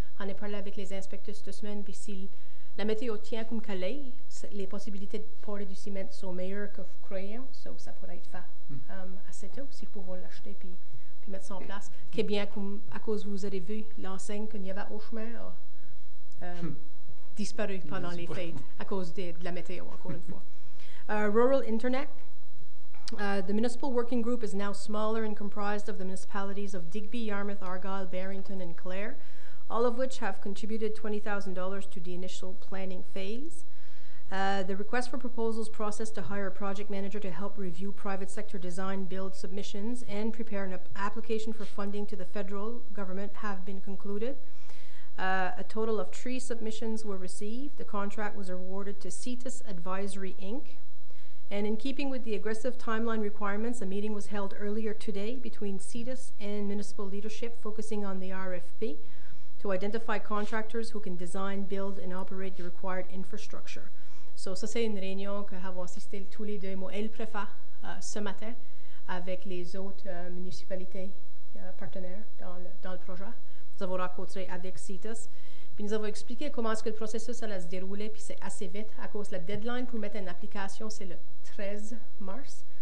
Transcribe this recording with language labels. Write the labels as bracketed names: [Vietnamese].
[French] On a parlé avec les inspecteurs cette semaine, puis s'il la météo tient comme Calais, les possibilités de porter du ciment sont meilleures que vous croyez, so, ça pourrait être fait assez tôt si vous pouvez l'acheter puis mettre ça en place. Qu'est bien comme à cause vous avez vu l'enseigne qu'il y avait au chemin a disparu pendant les fêtes à cause de la météo encore une fois. [English] Rural Internet. The Municipal Working Group is now smaller and comprised of the municipalities of Digby, Yarmouth, Argyle, Barrington and Clare, all of which have contributed $20,000 to the initial planning phase. The request for proposals process to hire a project manager to help review private sector design build submissions and prepare an application for funding to the federal government have been concluded. A total of 3 submissions were received. The contract was awarded to CITUS Advisory Inc. And in keeping with the aggressive timeline requirements, a meeting was held earlier today between CITUS and municipal leadership focusing on the RFP to identify contractors who can design, build, and operate the required infrastructure. [French] So ça, c'est une réunion que nous avons assisté tous les deux, moi et le préfet, ce matin, avec les autres municipalités partenaires dans le projet. Nous avons rencontré avec CITUS. Puis nous avons expliqué comment est-ce que le processus allait se dérouler, puis c'est assez vite, à cause de la deadline pour mettre une application, c'est le 13 mars.